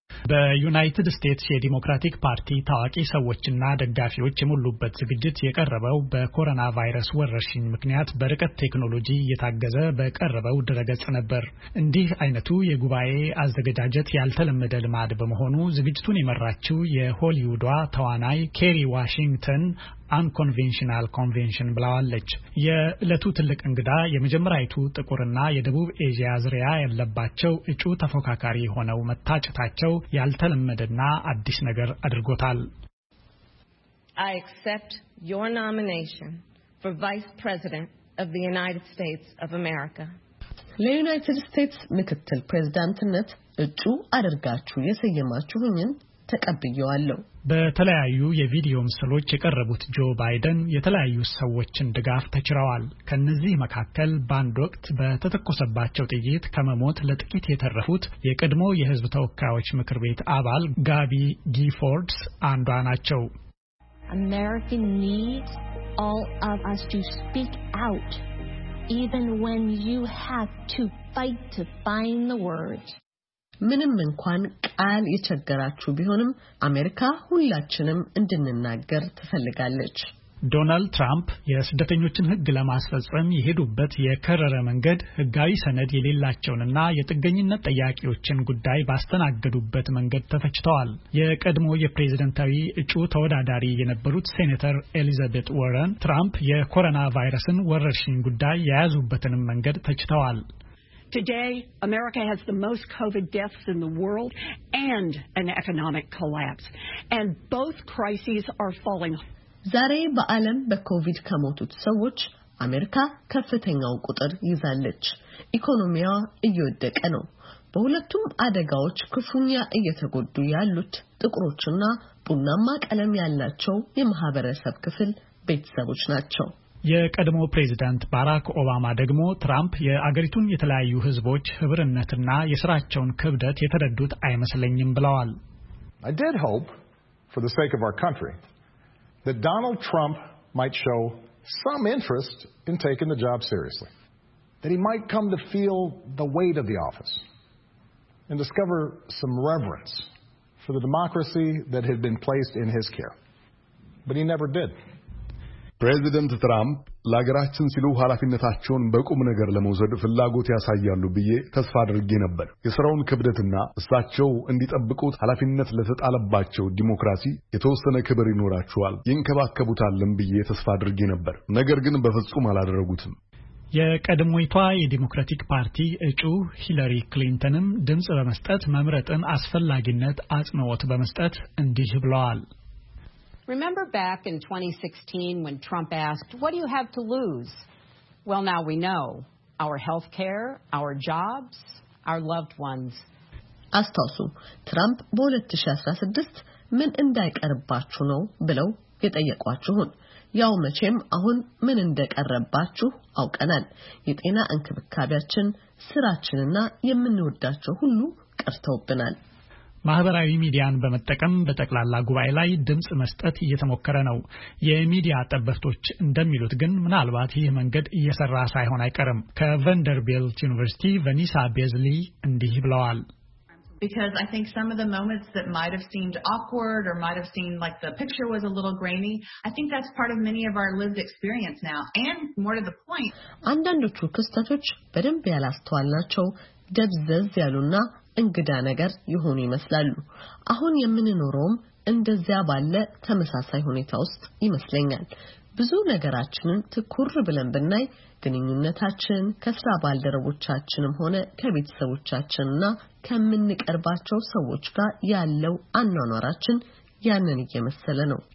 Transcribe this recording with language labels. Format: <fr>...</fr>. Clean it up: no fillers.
<am>በዩናይትድ ስቴትስ የዲሞክራቲክ ፓርቲ ታዋቂ ሰዎችና ደጋፊዎች የሞሉበት ዝግጅት የቀረበው በኮሮና ቫይረስ ወረርሽኝ ምክንያት በርቀት ቴክኖሎጂ የታገዘ በቀረበው ድረገጽ ነበር። እንዲህ አይነቱ የጉባኤ አዘገጃጀት ያልተለመደ ልማድ በመሆኑ ዝግጅቱን የመራችው የሆሊውዷ ተዋናይ ኬሪ ዋሽንግተን</am> <en>unconventional convention</en> <am>ብለዋለች። የዕለቱ ትልቅ እንግዳ የመጀመሪያይቱ ጥቁርና የደቡብ ኤዥያ ዝርያ ያለባቸው እጩ ተፎካካሪ ሆነው መታጨታቸው ያልተለመደና አዲስ ነገር አድርጎታል።</am> <en>I accept your nomination for Vice President of the United States of America.</en> <am>ለዩናይትድ ስቴትስ ምክትል ፕሬዝዳንትነት እጩ አድርጋችሁ የሰየማችሁኝን ተቀብያለሁ። በተለያዩ የቪዲዮ ምስሎች የቀረቡት ጆ ባይደን የተለያዩ ሰዎችን ድጋፍ ተችረዋል። ከነዚህ መካከል ባንድ ወቅት በተተኮሰባቸው ጥይት ከመሞት ለጥቂት የተረፉት የቀድሞ የህዝብ ተወካዮች ምክር ቤት አባል ጋቢ ጊፎርድስ አንዷ ናቸው።</am> <en>America needs all of us to speak out even when you have to fight to find the words.</en> <am>ምንም እንኳን ቃል የቸገራችሁ ቢሆንም አሜሪካ ሁላችንም እንድንናገር ትፈልጋለች። ዶናልድ ትራምፕ የስደተኞችን ህግ ለማስፈጸም የሄዱበት የከረረ መንገድ ህጋዊ ሰነድ የሌላቸውንና የጥገኝነት ጠያቂዎችን ጉዳይ ባስተናገዱበት መንገድ ተፈችተዋል። የቀድሞ የፕሬዝደንታዊ እጩ ተወዳዳሪ የነበሩት ሴኔተር ኤሊዛቤት ወረን ትራምፕ የኮሮና ቫይረስን ወረርሽኝ ጉዳይ የያዙበትንም መንገድ ተችተዋል።</am> <en>Today, America has the most COVID deaths in the world and an economic collapse. And both crises are falling.</en> <am>ዛሬ በዓለም በኮቪድ ከመውጡት ሰዎች አሜሪካ ከፍተኛው ቁጥር ይዛለች። ኢኮኖሚዋ እየወደቀ ነው። በሁለቱም አደጋዎች ክፉኛ እየተጎዱ ያሉት ጥቁሮችና ቡናማ ቀለም ያላቸው የማህበረሰብ ክፍል ቤተሰቦች ናቸው። የቀድሞ ፕሬዝዳንት ባራክ ኦባማ ደግሞ ትራምፕ የአገሪቱን የተለያዩ ህዝቦች ህብረነትና የሥራቸውን ክብደት የተረዱት አይመስለኝም ብለዋል።</am> <en>I did hope for the sake of our country that Donald Trump might show some interest in taking the job seriously. That he might come to feel the weight of the office and discover some reverence for the democracy that had been placed in his care. But he never did.</en> <am>ፕሬዚደንት ትራምፕ ለሀገራችን ሲሉ ኃላፊነታቸውን በቁም ነገር ለመውሰድ ፍላጎት ያሳያሉ ብዬ ተስፋ አድርጌ ነበር። የሥራውን ክብደትና እሳቸው እንዲጠብቁት ኃላፊነት ለተጣለባቸው ዲሞክራሲ የተወሰነ ክብር ይኖራቸዋል ይንከባከቡታልም ብዬ ተስፋ አድርጌ ነበር። ነገር ግን በፍጹም አላደረጉትም። የቀድሞይቷ የዲሞክራቲክ ፓርቲ እጩ ሂለሪ ክሊንተንም ድምጽ በመስጠት መምረጥን አስፈላጊነት አጽንኦት በመስጠት እንዲህ ብለዋል።</am> <en>Remember back in 2016 when Trump asked, "What do you have to lose?" Well, now we know. Our health care, our jobs, our loved ones.</en> <am>አስተውሉ ትራምፕ በ2016 ምን እንደቀረባችሁ ነው ብለው የጠየቋችሁን ያው መቼም አሁን ምን እንደቀረባችሁ አውቀናል። የጤና እንክብካቤያችን ስራችንና የምንወዳቸው ሁሉ ቀርተውብናል። ማህበራዊ ሚዲያን በመጠቀም በጠቅላላ ጉባኤ ላይ ድምጽ መስጠት እየተሞከረ ነው። የሚዲያ ተበርቶች እንደሚሉት ግን ምናልባት ይህ መንገድ እየሰራ ሳይሆን አይቀርም። ከቨንደርቢልት ዩኒቨርሲቲ ቨኒሳ ቤዝሊ እንዲህ ብለዋል።</am> <en>Because I think some of the moments that might have seemed awkward or might have seemed like the picture was a little grainy, I think that's part of many of our lived experience now. And more to the point,</en> <am>አንዳንዶቹ ክስተቶች በደንብ ያላስተዋልናቸው ደብዘዝ ያሉና እንግዳ ነገር ይሆን ይመስላሉ። አሁን የምንኖረው እንደዚያ ባለ ተመሳሳይ ሁኔታ ውስጥ ይመስለኛል። ብዙ ነገራችንን ትኩር ብለን ብናይ ግንኙነታችን ከስራ ባልደረቦቻችንም ሆነ ከቤተሰቦቻችንና ከምንቀርባቸው ሰዎች ጋር ያለው አኗኗራችን ያንን እየመሰለ ነው።</am>